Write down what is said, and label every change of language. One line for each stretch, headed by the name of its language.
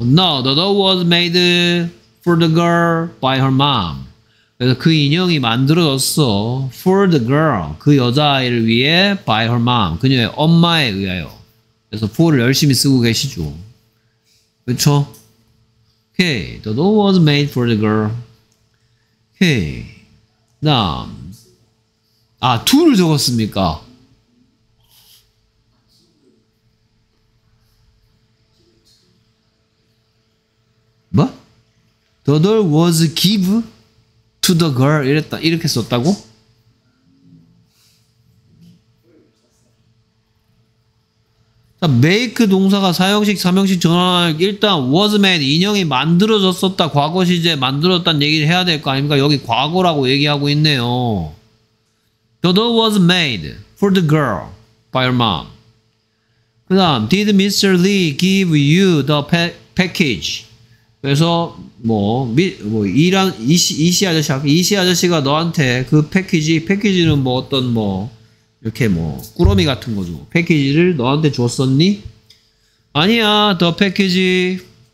English: No, the doll was made for the girl by her mom.
Korean: 그래서 그 인형이 만들어졌어.
English: For the girl,
Korean: 그 여자아이를 위해
English: by her mom,
Korean: 그녀의 엄마에 의하여. 그래서 for를 열심히 쓰고 계시죠. 그렇죠?
English: Okay, the doll was made for the girl.
Korean: Okay, 다음. 아, to를 적었습니까? 뭐?
English: The doll was give to the girl
Korean: 이랬다 이렇게 썼다고? 자, make 동사가 사형식, 삼형식 전환할 일단 was made 인형이 만들어졌었다 과거 시제 만들었다는 얘기를 해야 될 거 아닙니까? 여기 과거라고 얘기하고 있네요.
English: The doll was made for the girl by her mom.
Korean: 그 다음
English: did Mr. Lee give you the package?
Korean: 그래서 이시 아저씨, 이시 아저씨가 너한테 그 패키지는 뭐 어떤 뭐 이렇게 뭐 꾸러미 같은 거죠. 패키지를 너한테 줬었니? 아니야,
English: the package package...